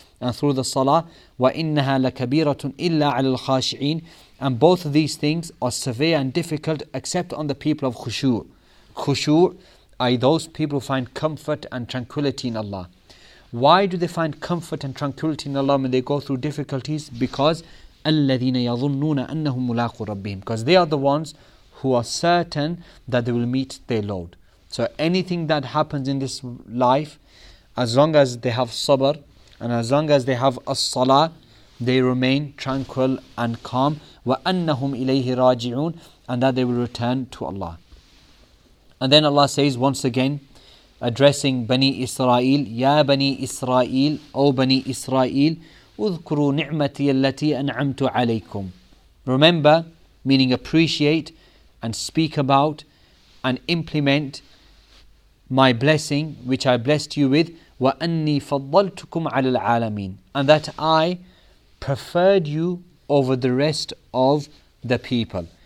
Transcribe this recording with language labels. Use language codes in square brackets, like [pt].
[en] and through the salah. [ar] وَإِنَّهَا لَكَبِيرَةٌ إِلَّا عَلَى الْخَاشِعِينَ. [en] And both of these things are severe and difficult except on the people of khushu'. Khushu' are those people who find comfort and tranquility in Allah. Why do they find comfort and tranquility in Allah when they go through difficulties? Because [ar] الَّذِينَ يَظُنُّونَ أَنَّهُمْ مُلَاقُوا رَبِّهِمْ. [en] Because they are the ones who are certain that they will meet their Lord. So anything that happens in this life, as long as they have sabr, and as long as they have as-salah, they remain tranquil and calm. [ar] وَأَنَّهُمْ إِلَيْهِ رَاجِعُونَ. [en] And that they will return to Allah. And then Allah says once again, addressing Bani Israel, [ar] يَا بَنِي إِسْرَائِيلِ أَوْ بَنِي إِسْرَائِيلِ اُذْكُرُوا نِعْمَتِيَ الَّتِي أَنْعَمْتُ عَلَيْكُمْ. [en] Remember, meaning appreciate and speak about and implement my blessing which I blessed you with. [ar] وَأَنِّي فَضَّلْتُكُمْ عَلَى الْعَالَمِينَ. [en] And that I preferred you over the rest of the people.